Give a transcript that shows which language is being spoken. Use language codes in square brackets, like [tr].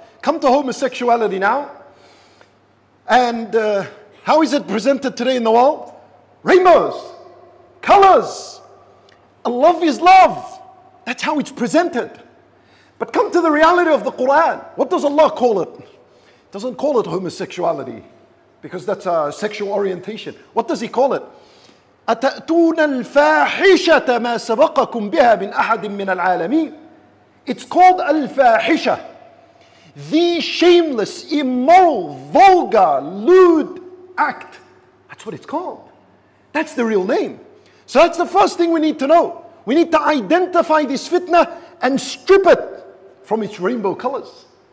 [en] Come to homosexuality now. And how is it presented today in the world? Rainbows, colors. A love is love. That's how it's presented. But come to the reality of the Quran. What does Allah call it? He doesn't call it homosexuality because that's a sexual orientation. What does He call it? [ar] أتأتون الفاحشة ما سبقكم بها من أحد من العالمين. [en] It's called الفاحشة. The shameless, immoral, vulgar, lewd act. That's what it's called. That's the real name. So that's the first thing we need to know. We need to identify this fitna and strip it from its rainbow colors.